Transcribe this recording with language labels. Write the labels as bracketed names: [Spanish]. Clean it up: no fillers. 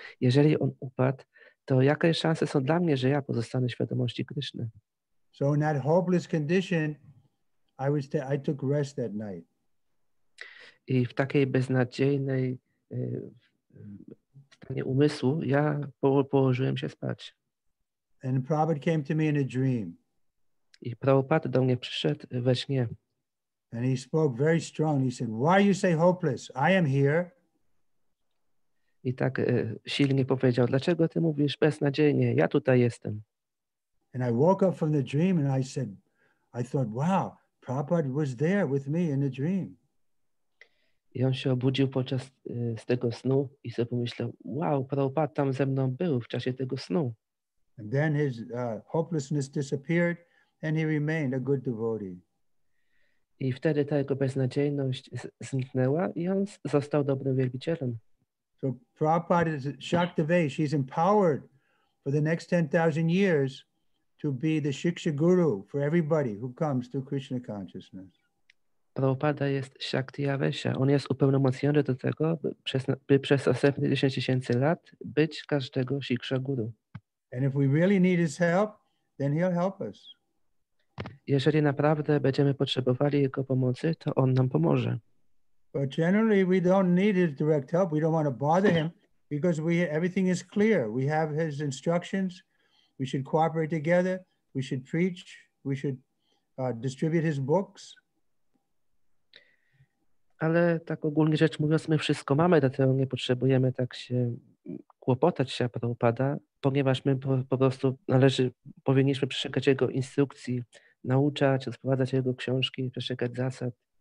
[Polish] Jeżeli on upadł, to jakie szanse są dla mnie, że ja pozostanę w świadomości Krishny? [English] So in that hopeless condition, I took rest that night. [Polish] I w takiej beznadziejnej stanie umysłu ja położyłem się spać. [English] And Prabhupada came to me in a dream. [Polish] I Prabhupada do mnie przyszedł we śnie. [English] And he spoke very strong. He said, why you say hopeless? I am here. [Polish] I tak silnie powiedział, dlaczego ty mówisz beznadziejnie? Ja tutaj jestem. [English] And I woke up from the dream and I thought, wow, Prabhupada was there with me in the dream. [Polish] I on się obudził podczas z tego snu i sobie pomyślał, wow, Prabhupada tam ze mną był w czasie tego snu. [English] And then his hopelessness disappeared and he remained a good devotee. [Polish] I wtedy ta jego beznadziejność zniknęła i on został dobrym wielbicielem. [English] So Prabhupada is Shaktivesh. She's empowered for the next 10,000 years to be the Shiksha Guru for everybody who comes to Krishna consciousness. [Polish] Prabhupada jest Shaktivesha. On jest upełnomocniony do tego, by przez następne 10 tysięcy lat być każdego Shiksha Guru. [English] And if we really need his help, then he'll help us. [Polish] Jeżeli naprawdę będziemy potrzebowali jego pomocy, to on nam pomoże. [English] But generally we don't need his direct help. We don't want to bother him because everything is clear. We have his instructions. We should cooperate together. We should preach. We should distribute his books. [Polish] Ale tak ogólnie rzecz mówiąc, my wszystko mamy, dlatego nie potrzebujemy tak się kłopotać się Prabhupada, ponieważ my po prostu powinniśmy przestrzegać jego instrukcji, nauczać, rozprowadzać jego książki, przestrzegać zasad.